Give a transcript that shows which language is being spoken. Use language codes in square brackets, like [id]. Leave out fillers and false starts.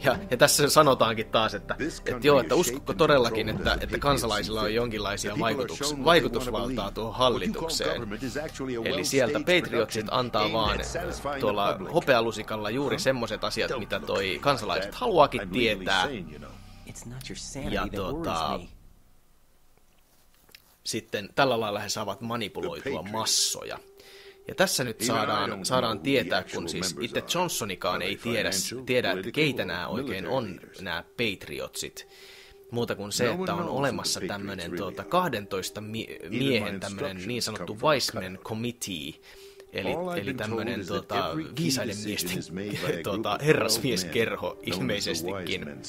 [fi] Ja tässä sanotaankin taas, että uskotko todellakin, että kansalaisilla on jonkinlaisia vaikutusvaltaa tuohon hallitukseen. Eli sieltä Patriotsit antaa vaan tuolla hopealusikalla juuri semmoiset asiat, mitä toi kansalaiset haluakin tietää. [en] It's not your sanity that worries me. [fi] Sitten tällä lailla he saavat manipuloitua massoja. Ja tässä nyt saadaan tietää, kun siis itse Johnsonikaan ei tiedä että keitä nämä oikein on, nämä Patriotsit. Muuta kuin se, että on olemassa tämmöinen 12 miehen tämmöinen niin sanottu Wiseman Committee, eli tämmöinen viisaiden miesten herrasmieskerho ilmeisestikin.